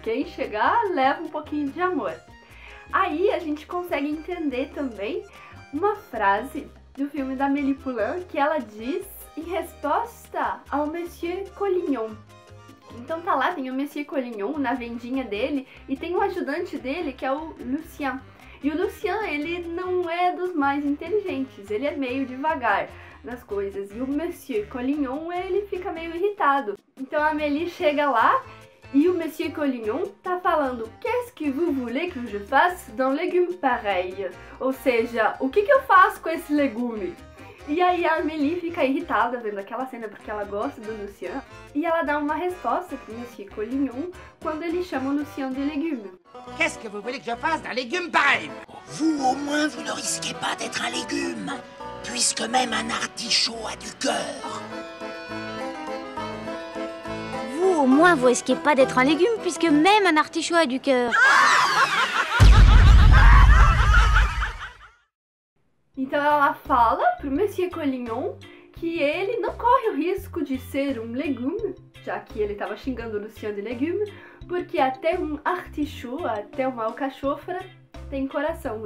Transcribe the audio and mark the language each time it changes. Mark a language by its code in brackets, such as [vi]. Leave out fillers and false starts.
[pt] Quem chegar, leva um pouquinho de amor. Aí a gente consegue entender também uma frase do filme da Amélie Poulain, que ela diz em resposta ao Monsieur Collignon. Então tá lá, tem o Monsieur Collignon na vendinha dele e tem um ajudante dele que é o Lucien. E o Lucien, ele não é dos mais inteligentes, ele é meio devagar nas coisas. E o Monsieur Collignon, ele fica meio irritado. Então a Amélie chega lá e o Monsieur Collignon tá falando: qu'est-ce que vous voulez que je fasse dans légumes pareils? Ou seja, o que que eu faço com esse legume? E aí a Amélie fica irritada vendo aquela cena porque ela gosta do Lucien. E ela dá uma resposta pro Monsieur Collignon quando ele chama o Lucien de légume. [fr] Qu'est-ce que vous voulez que je fasse d'un légume pareil? Vous, au moins, vous ne risquez pas d'être un légume, puisque même un artichaut a du cœur. Vous, au moins, vous risquez pas d'être un légume, puisque même un artichaut a du cœur. [pt] Então ela fala pro Monsieur Collignon que ele não corre o risco de ser um legume, já que ele estava xingando o Lucien de legume, porque até um artichaut, até uma alcachofra, tem coração.